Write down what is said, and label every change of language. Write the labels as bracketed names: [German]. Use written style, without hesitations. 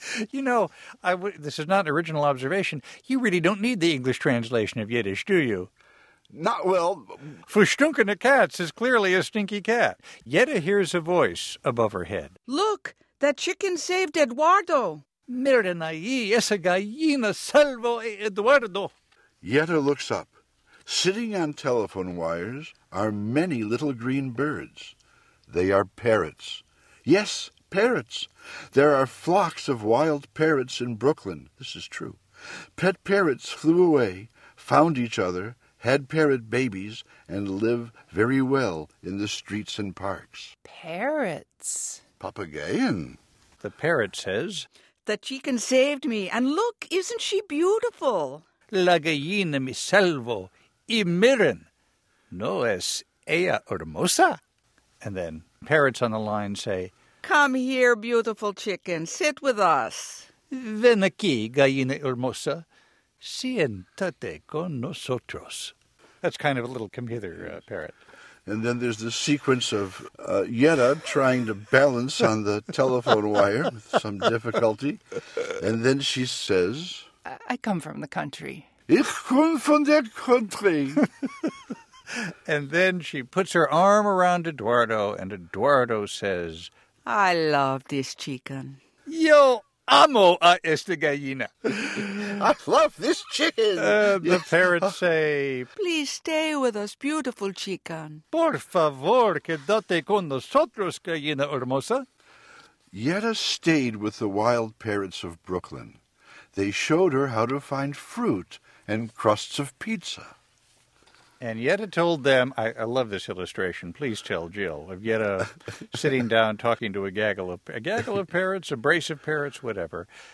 [English] You know, this is not an original observation. You really don't need the English translation of Yiddish, do you? Not well. [Yiddish] Verstunkene Katz [English] is clearly a stinky cat. Yetta hears a voice above her head. Look, that chicken saved Eduardo. [Spanish] Miren ahí, esa gallina salvó a Eduardo. [English] Yetta looks up. Sitting on telephone wires are many little green birds. They are parrots. Yes, parrots. There are flocks of wild parrots in Brooklyn. This is true. Pet parrots flew away, found each other, had parrot babies, and live very well in the streets and parks. Parrots. [German] Papageien. [English] The parrot says, the chicken saved me, and look, isn't she beautiful? [Spanish] La gallina me salvo. Y miren, no es ella hermosa? [English] And then parrots on the line say, come here, beautiful chicken. Sit with us. [Spanish] Ven aquí, gallina hermosa. Siéntate con nosotros. [English] That's kind of a little come-hither parrot. And then there's the sequence of Yetta trying to balance on the telephone wire with some difficulty. And then she says, I come from the country. [German] Ich komme von der Country. [English] And then she puts her arm around Eduardo, and Eduardo says, I love this chicken. [Spanish] Yo amo a esta gallina. [English] I love this chicken. The parrots say, please stay with us, beautiful chicken. [Spanish] Por favor, quédate con nosotros, gallina hermosa. [English] Yetta stayed with the wild parrots of Brooklyn. They showed her how to find fruit and crusts of pizza. And Yetta told them, I love this illustration, please tell Jill, of Yetta sitting down talking to a gaggle of parrots, a brace of parrots, whatever.